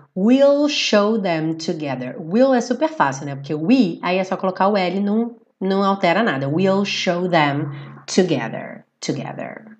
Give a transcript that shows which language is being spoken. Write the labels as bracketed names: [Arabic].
[English] We'll show them together. [Portuguese] Will é super fácil, né? Porque we, aí é só colocar o L e não altera nada. [English] We'll show them together.